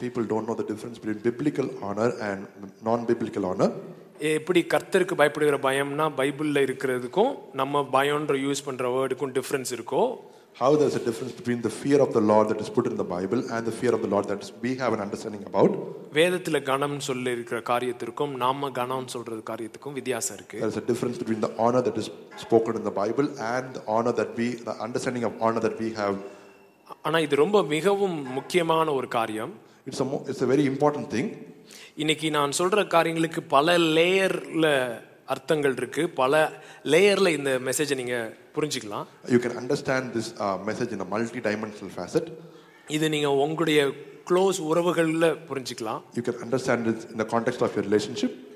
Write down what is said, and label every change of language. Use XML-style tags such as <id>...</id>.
<en>People don't know the difference between biblical honor and non-biblical honor.</en> <ta>எப்படி கர்த்தருக்கு பயப்படுகிற பயம்னா பைபிளில் இருக்கிறதுக்கும் நம்ம பயம்ன்ற யூஸ் பண்ணுற வேர்டுக்கும் டிஃப்ரென்ஸ் இருக்கோ.</ta> <en>How there's a difference between the fear of the Lord that is put in the Bible and the fear of the Lord that we have an understanding about.</en> <ta>வேதத்திலே கணம் சொல்லி இருக்கிற காரியத்துக்கும் நாம கணம் சொல்றது காரியத்துக்கும் வித்தியாசம் இருக்கு.</ta> <en>There's a difference between the honor that is spoken in the Bible and the honor that we the understanding of honor that we have.</en> <ta>ஆனா இது ரொம்ப மிகவும் முக்கியமான ஒரு காரியம்.</ta> <en>It's a very important thing.</en> <ta>இன்னைக்கு நான் சொல்ற காரியங்களுக்கு பல லேயர்ல அர்த்தங்கள் இருக்கு. பல லேயர்ல இந்த மெசேஜை நீங்க புரிஞ்சிக்கலாம்.</ta> <en>You can understand this message in a multi-dimensional facet.</en> <ta>இது நீங்க உங்களுடைய close உறவுகள்ல புரிஞ்சிக்கலாம்.</ta> <en>You can understand this in the context of your relationship.</en>